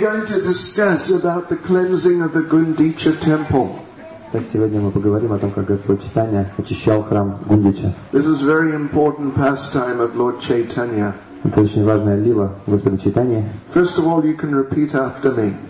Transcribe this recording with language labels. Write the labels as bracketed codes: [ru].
[en] going to discuss about the cleansing of the Gundicha temple. [ru] Так сегодня мы поговорим о том, как Господь Читания очищал храм Гундича. [en] This is very important pastime of Lord Chaitanya. [ru] Это очень важная лила Господа Читания. [en] First of all, you can repeat after me.